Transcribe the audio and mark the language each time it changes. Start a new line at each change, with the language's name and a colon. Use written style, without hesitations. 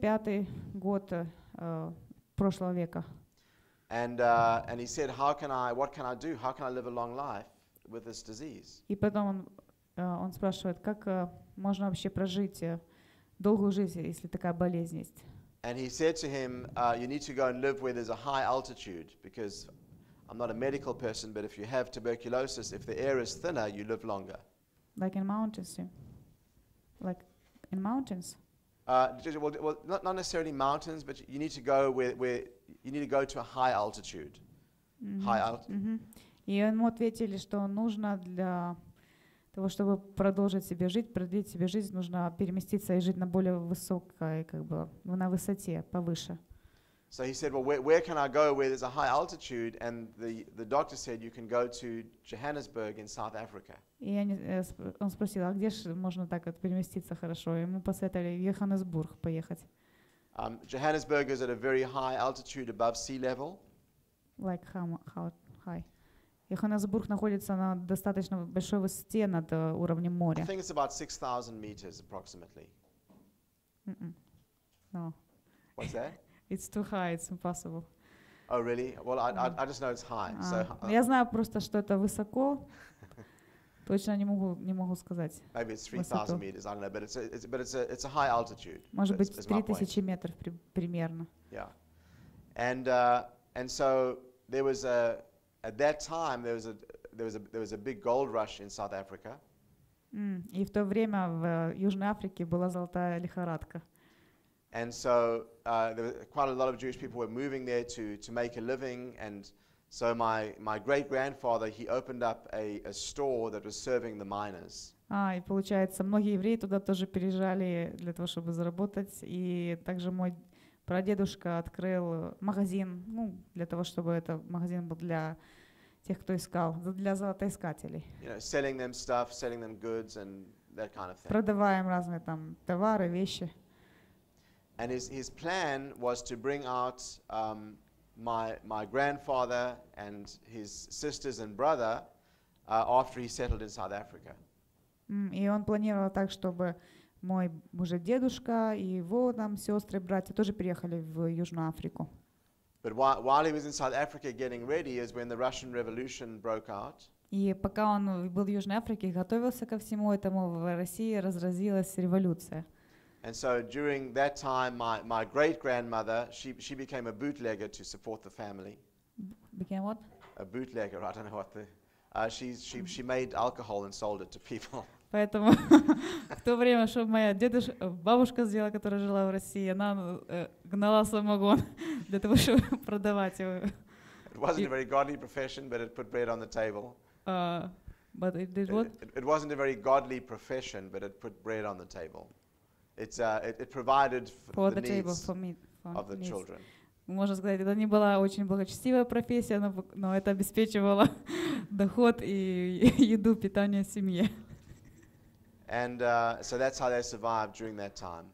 Russian: Это где-то 6-5 год прошлого века.
English: And he said, how can I, what can I do? How can I live a long life with this disease?
Russian: И потом он спрашивает, как можно вообще прожить долгую жизнь, если такая болезнь есть?
English: And he said to him, you need to go and live where there's a high altitude, because I'm not a medical person, but if you have tuberculosis, if the air is thinner, you live longer. Like in mountains, yeah. Like in mountains. Not necessarily mountains, but you need to go where you need to go to a high altitude. Mm-hmm. High altitude. Mm-hmm.
Russian: И ему ответили, что нужно для того, чтобы продолжить себе жить, продлить себе жизнь, нужно переместиться и жить на более высокой, как бы, на высоте, повыше.
English: So he said, well, where can I go where there's a high altitude? And the doctor said, you can go to Johannesburg in South Africa.
Russian: И он спросил, а где же можно так вот переместиться хорошо? И мы посоветовали в Йоханнесбург поехать.
English: Johannesburg is at a very high altitude above sea level. Like how high?
Russian: Йоханнесбург находится на достаточно большой высоте над уровнем моря.
English: I think it's about 6,000 meters approximately. No. What's that? It's too high, it's impossible. Oh, really? Well, I just know it's high.
Russian: Я знаю просто, что это высоко. Точно не могу сказать.
English: Maybe it's 3,000 meters, I don't know, but it's a high altitude.
Russian: Может быть, 3,000 метров примерно.
English: Yeah. And so there was a at that time there was a big gold rush in South Africa.
Russian: И в то время в Южной Африке была золотая лихорадка.
English: And so there were quite a lot of Jewish people were moving there to make a living, and so my great grandfather, he opened up a store that was serving the miners.
Russian: И получается, многие евреи туда тоже переезжали для того, чтобы заработать, и также мой прадедушка открыл магазин, ну, для того, чтобы это магазин был для тех, кто искал, для золотоискателей.
English: You know, selling them stuff, selling them goods and that kind of thing.
Russian: Продавая им разные там товары, вещи.
English: And his plan was to bring out my grandfather and his sisters and brother after he settled in South Africa.
Russian: И он планировал так, чтобы мой уже дедушка и его там сестры, братья тоже переехали в Южную Африку.
English: But while he was in South Africa getting ready is when the Russian Revolution broke out.
Russian: И пока он был в Южной Африке, готовился ко всему этому, в России разразилась революция.
English: And so during that time, my great-grandmother, she became a bootlegger to support the family. Became what? A bootlegger. I don't know what the... She made alcohol and sold it to people.
Russian: Поэтому в то время, что моя бабушка сделала, которая жила в России, она гнала самогон для того, чтобы продавать его.
English: It wasn't a very godly profession, but it put bread on the table. But it did what? It wasn't a very godly profession, but it put bread on the table. It provided for the table, needs for me, of the needs. Children.
Russian: Можно сказать, это не была очень благочестивая профессия, но это обеспечивало доход и еду, питание семье.
English: And so that's how they survived during that time.